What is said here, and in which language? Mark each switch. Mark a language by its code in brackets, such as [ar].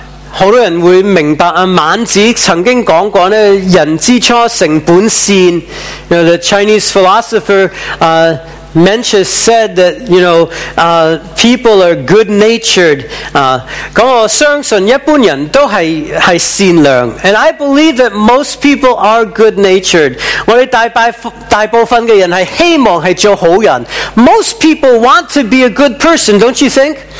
[zh] 很多人会明白孟子曾经讲过，人之初性本善。 [en] You know, the Chinese philosopher Mencius said that, you know, people are good-natured. [zh] 我相信一般人都是善良。 [en] And I believe that most people are good-natured. [zh] 我们大部分的人是希望是做好人。 [en] Most people want to be a good person, don't you think?